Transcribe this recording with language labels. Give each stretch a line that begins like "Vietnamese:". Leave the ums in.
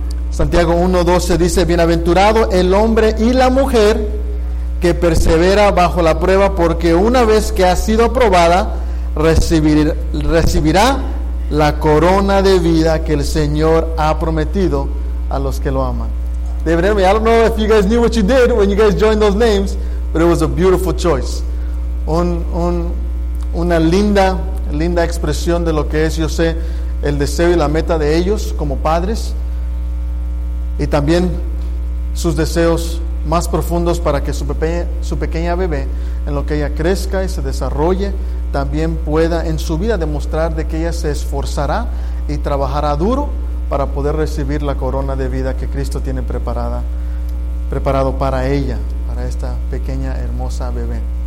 Spanish: Santiago 1, 12 dice, bienaventurado el hombre y la mujer que persevera bajo la prueba, porque una vez que ha sido aprobada, recibir, recibirá la corona de vida que el Señor ha prometido a los que lo aman.
English: David, I don't know if you guys knew what you did when you guys joined those names, but it was a beautiful choice.
Spanish: Un, un, una linda, linda expresión de lo que es, yo sé, el deseo y la meta de ellos como padres y también sus deseos más profundos para que su, pepe, su, pequeña bebé, en lo que ella crezca y se desarrolle, también pueda en su vida demostrar de que ella se esforzará y trabajará duro para poder recibir la corona de vida que Cristo tiene preparada, preparado para ella, para esta pequeña hermosa bebé.